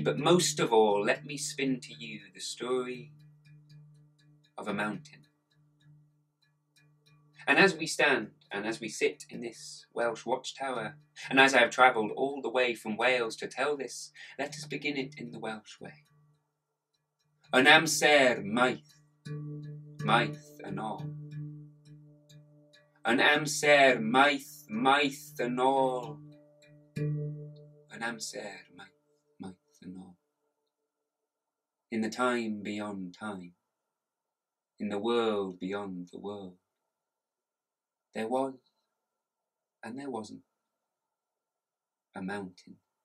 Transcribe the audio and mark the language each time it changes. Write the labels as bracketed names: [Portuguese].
[English] But most of all, let me spin to you the story of a mountain. And as we stand, and as we sit in this Welsh watchtower, and as I have travelled all the way from Wales to tell this, let us begin it in the Welsh way. [Welsh] Yn amser maith, maith yn ôl. Yn amser maith, maith yn ôl. Yn amser maith, maith yn ôl. [English] In the time beyond time, in the world beyond the world, there was, and there wasn't, a mountain.